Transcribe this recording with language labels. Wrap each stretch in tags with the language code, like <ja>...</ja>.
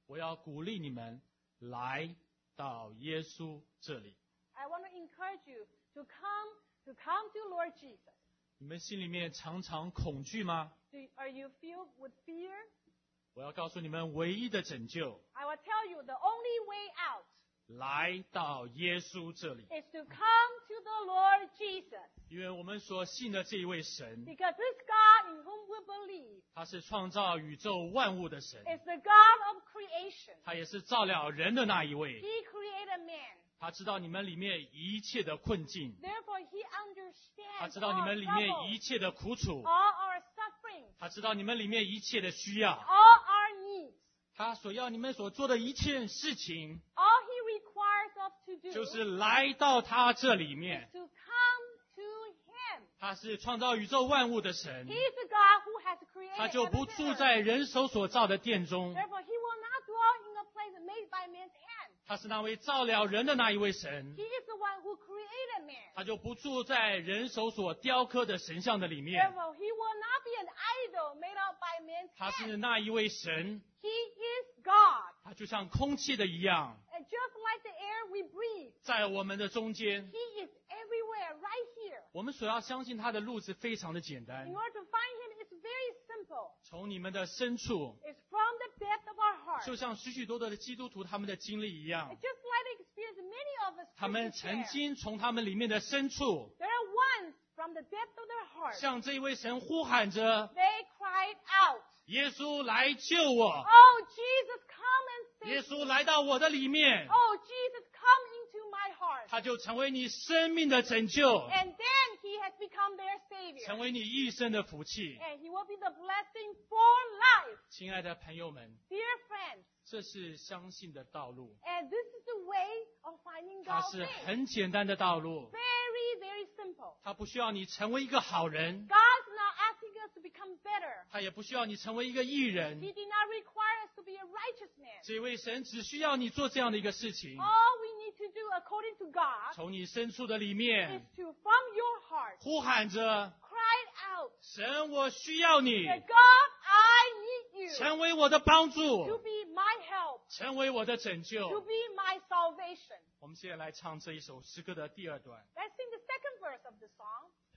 <zh>我要鼓励你们来到耶稣这里。</zh> <en>I want to encourage you to come to Lord Jesus.</en> <zh>你们心里面常常恐惧吗？</zh> <en>Are you filled with fear?</en> <zh>我要告诉你们唯一的拯救。</zh> <en>I will tell you the only way out.</en> <zh>来到耶稣这里。</zh> <en>Is to come to the Lord Jesus.</en> <zh>因为我们所信的这一位神。</zh> <en>Because this God in whom we believe.</en> <zh>他是创造宇宙万物的神。</zh> <en>Is the God of creation.</en> <zh>他也是造了人的那一位。</zh> <en>He created man.</en> <zh>他知道你们里面一切的困境。</zh> <en>Therefore, he understands.</en> <zh>他知道你们里面一切的苦楚。</zh> <en>All our suffering.</en> <zh>他知道你们里面一切的需要。</zh> <en>All our needs.</en> <zh>他所要你们所做的一切事情。</zh> <en>All he requires us to do.</en> <zh>就是来到他这里面。</zh> <en>To come to him.</en> <zh>他是创造宇宙万物的神。</zh> <en>He is the God who has created.</en> <zh>他就不住在人手所造的殿中。</zh> <en>Therefore, he will not dwell in a place made by man's hand.</en> <zh>他是那位造了人的那一位神。</zh> <en>He is the one who created man.</en> <zh>他就不住在人手所雕刻的神像的里面。</zh> <en>Therefore, he will not be an idol made up by man's hand.</en> <zh>他是那一位神。</zh> <en>He is God.</en> <zh>他就像空气的一样。</zh> <en>And just like the air we breathe.</en> <zh>在我们的中间。</zh> <en>He is everywhere, right here.</en> <zh>我们所要相信他的路是非常的简单。</zh> <en>In order to find him, it's very simple.</en> <zh>从你们的深处。</zh> <en>It's from the depth of our heart.</en> <zh>就像许许多多的基督徒他们的经历一样。</zh> <en>It's just like the experience many of us.</en> <zh>他们曾经从他们里面的深处。</zh> <en>There are ones from the depth of their heart.</en> <zh>向这一位神呼喊着。</zh> <en>They cried out.</en> <zh>耶稣来救我。</zh> <en>Oh, Jesus, come and save me.</en> <zh>耶稣来到我的里面。</zh> <en>Oh, Jesus, come into my heart.</en> <zh>他就成为你生命的拯救。</zh> <en>And then he has become their savior.</en> <zh>成为你一生的福气。</zh> <en>And he will be the blessing for life.</en> <zh>亲爱的朋友们。</zh> <en>Dear friends.</en> <zh>这是相信的道路。</zh> <en>And this is the way of finding God.</en> <zh>它是很简单的道路。</zh> <en>Very, very simple.</en> <zh>它不需要你成为一个好人。</zh> <en>God's not asking us to become better.</en> <zh>它也不需要你成为一个义人。</zh> <en>He did not require us to be a righteous man.</en> <zh>这位神只需要你做这样的一个事情。</zh> <en>All we need to do according to God.</en> <zh>从你深处的里面。</zh> <en>Is to from your heart.</en> <zh>呼喊着。</zh> <en>Cried out.</en> <zh>神，我需要你。</zh> <en>God, I need you.</en> <zh>成为我的帮助。</zh> <en>To be my help.</en> <zh>成为我的拯救。</zh> <en>To be my salvation.</en> <zh>我们现在来唱这一首诗歌的第二段。</zh> <en>Let's sing the second verse of the song.</en>